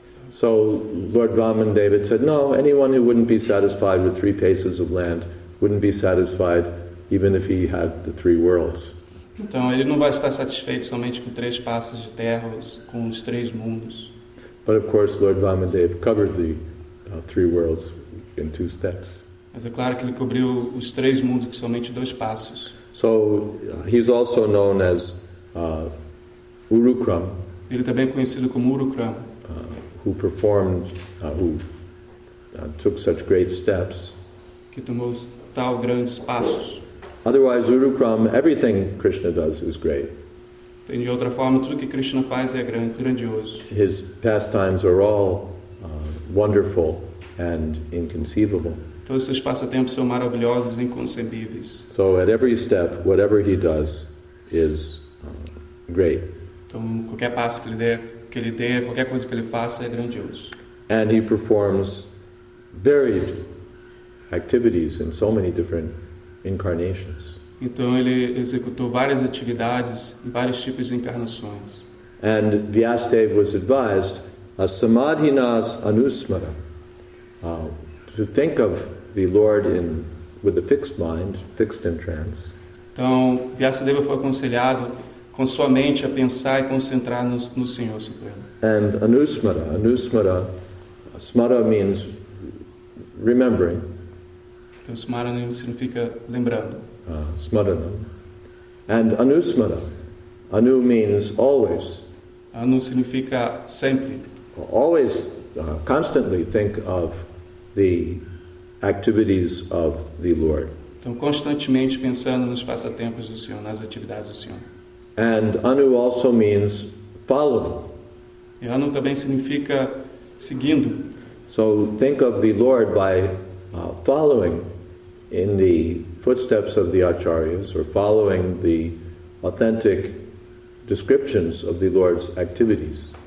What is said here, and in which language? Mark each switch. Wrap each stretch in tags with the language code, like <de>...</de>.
<en>So Lord Vamandeva said, "No, anyone who wouldn't be satisfied with three paces of land wouldn't be satisfied, even if he had the three worlds."</en> <pt>Então ele não vai estar satisfeito somente com três passos de terra, com os três mundos.</pt> <en>But of course, Lord Vamandev covered the three worlds in two steps.</en> <pt>Mas é claro que ele cobriu os três mundos com somente dois passos.</pt> <en>So he's also known as Urukram.</en> <pt>Ele também é conhecido como Urukram,</pt> <en>who performed, took such great steps.</en> <pt>Que tomou tal grandes passos.</pt> <en>Otherwise, Urukram, everything Krishna does is great.</en> <pt>De outra forma, tudo que Krishna faz é grandioso.</pt> <en>His pastimes are all wonderful and inconceivable.</en> <pt>Todos seus passatempos são maravilhosos e inconcebíveis.</pt> <en>So at every step, whatever he does is great.</en> <pt>Então, qualquer passo que ele dê, qualquer coisa que ele faça é grandioso.</pt> <en>And he performs varied activities in so many different incarnations.</en> <pt>Então ele executou várias atividades em vários tipos de encarnações.</pt> <en>And Vyasadeva was advised a</en> <sa>samadhinas anusmara,</sa> <en>to think of the Lord in with a fixed mind, fixed in trance.</en> <pt>Então Vyasadeva foi aconselhado com sua mente a pensar e concentrar no Senhor Supremo.</pt> <en>And anusmara, smara means remembering.</en> <pt>Smarana significa lembrando.</pt> <en>Smarana. And anusmara. Anu means always.</en> <pt>Anu significa sempre.</pt> <en>Always, constantly think of the activities of the Lord.</en> <pt>Então, constantemente pensando nos passatempos do Senhor, nas atividades do Senhor.</pt> <en>And anu also means following.</en> <pt>E anu também significa seguindo.</pt> <en>So, think of the Lord by following in the footsteps of the acharyas, or following the authentic descriptions of the Lord's activities.</en>